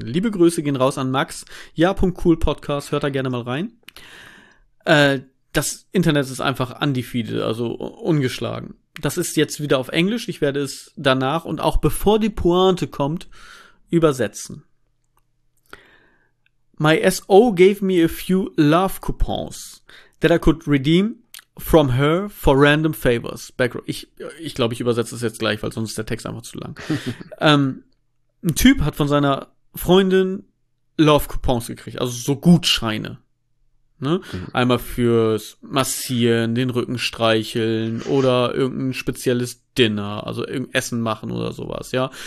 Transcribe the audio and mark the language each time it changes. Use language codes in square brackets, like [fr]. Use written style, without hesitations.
[de] Liebe Grüße gehen raus an Max. Ja.cool Podcast, hört da gerne mal rein. Das Internet ist einfach undefeated, also ungeschlagen. Das ist jetzt wieder auf Englisch. Ich werde es danach und auch bevor die Pointe kommt, übersetzen. [en] My SO gave me a few love coupons that I could redeem from her for random favors. Background. [de] Ich glaube, ich übersetze das jetzt gleich, weil sonst ist der Text einfach zu lang. Ein Typ hat von seiner Freundin Love Coupons gekriegt, also so Gutscheine. Ne? Einmal fürs Massieren, den Rücken streicheln oder irgendein spezielles Dinner, also irgendein Essen machen oder sowas, ja.